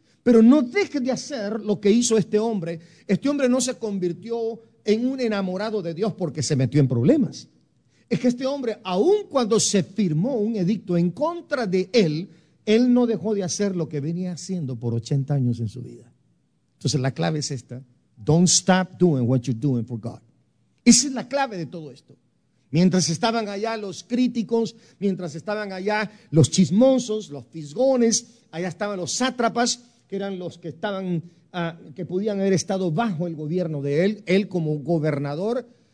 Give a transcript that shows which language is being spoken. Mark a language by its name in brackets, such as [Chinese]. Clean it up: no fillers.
[Spanish] Pero no dejes de hacer lo que hizo este hombre. Este hombre no se convirtió en un enamorado de Dios porque se metió en problemas. Es que este hombre, aun cuando se firmó un edicto en contra de él, él no dejó de hacer lo que venía haciendo por 80 años en su vida. Entonces la clave es esta: [English] don't stop doing what you're doing for God. [Spanish] Esa es la clave de todo esto. Mientras estaban allá los críticos, mientras estaban allá los chismosos, los fisgones, allá estaban los sátrapas, que eran los que estaban que podían haber estado bajo el gobierno de él como gobernador.